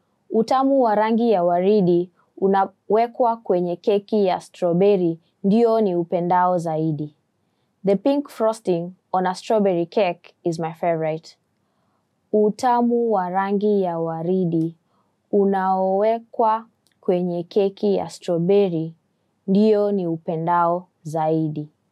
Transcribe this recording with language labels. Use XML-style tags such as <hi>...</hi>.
<sw>Utamu wa rangi ya waridi unawekwa kwenye keki ya strawberry ndio ni upendao zaidi.</sw> <en>The pink frosting on a strawberry cake is my favorite.</en> <sw>Utamu wa rangi ya waridi unaowekwa kwenye keki ya strawberry ndio ni upendao zaidi.</sw>